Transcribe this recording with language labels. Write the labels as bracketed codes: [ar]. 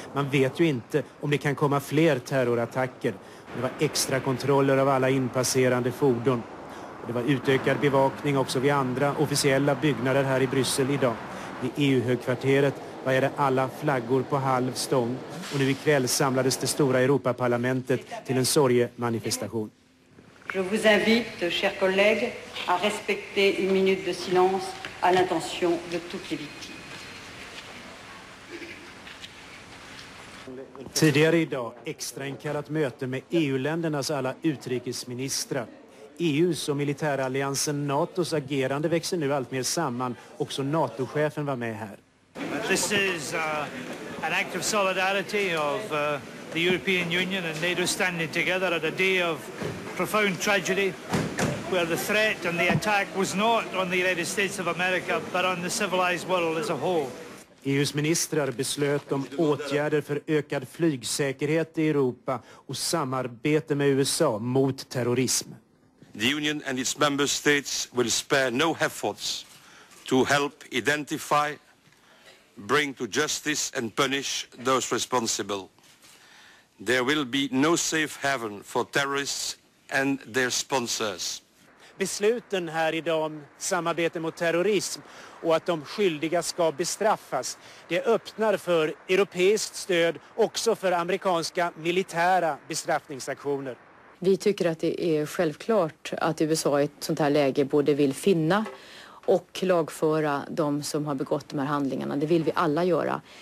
[sv] Man vet ju inte om det kan komma fler terrorattacker. Det var extra kontroller av alla inpasserande fordon. Det var utökad bevakning också vid andra officiella byggnader här i Bryssel idag. Vid EU-högkvarteret vajade alla flaggor på halv stång. Och nu ikväll samlades det stora Europaparlamentet till en sorgemanifestation. [fr] Je vous invite, chers collègues, à respecter une minute de silence à l'intention de toutes les victimes. [sv] Tidigare idag extra inkallat möte med EU-ländernas alla utrikesministrar. EUs och militäralliansen NATOs agerande växer nu allt mer samman. Också NATO-chefen var med här. [en] This is an act of solidarity of the European Union and NATO standing together at a day of profound tragedy where the threat and the attack was not on the United States of America but on the civilized world as a whole. [sv] EUs ministrar beslöt om åtgärder för ökad flygsäkerhet i Europa och samarbete med USA mot terrorism. [en] The Union and its member states will spare no efforts to help identify, bring to justice and punish those responsible. There will be no safe haven for terrorists and their sponsors. [sv] Besluten här idag om samarbete mot terrorism och att de skyldiga ska bestraffas. Det öppnar för europeiskt stöd också för amerikanska militära bestraffningsaktioner. Vi tycker att det är självklart att USA i ett sånt här läge både vill finna och lagföra de som har begått de här handlingarna. Det vill vi alla göra.